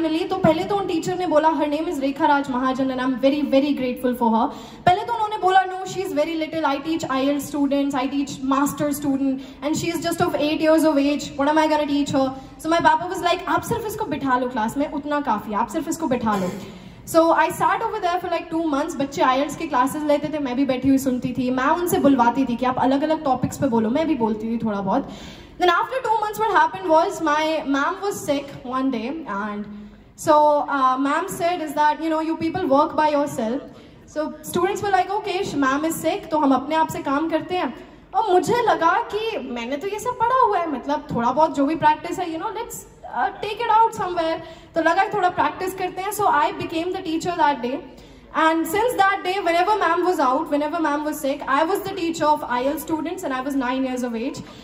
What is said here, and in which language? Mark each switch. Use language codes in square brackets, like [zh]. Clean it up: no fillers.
[hi] तो पहले तो उन टीचर ने बोला, [en] Her name is Rekha Raj Mahajan, I am very very grateful for her. [hi] पहले तो उन्होंने बोला [en] No, she is very little, I teach IELTS students, I teach master student, and she is just of 8 years of age, what am I gonna teach her. So my पापा was like, [hi] आप सिर्फ इसको बिठा लो class में, उतना काफी, आप सिर्फ इसको बिठा लो. [en] So I sat over there for like 2 months. [hi] बच्चे IELTS के क्लासेस लेते थे, मैं भी बैठी हुई सुनती थी. मैं उनसे बुलवाती थी कि आप अलग अलग टॉपिक्स पे बोलो, मैं भी बोलती थी थोड़ा बहुत. [en] Then after 2 months what happened was my ma'am was sick one day, and so ma'am said is that you people work by yourself. So students were like, okay, ma'am is sick, [hi] तो हम अपने आप से काम करते हैं. और मुझे लगा कि मैंने तो ये सब पढ़ा हुआ है, मतलब थोड़ा बहुत जो भी प्रैक्टिस है, [en] let's take it out somewhere. [hi] तो लगा थोड़ा प्रैक्टिस करते हैं. [en] So I became the teacher that day, and since that day whenever ma'am was out, whenever ma'am was sick, I was the teacher of IELTS students, and I was 9 years of age.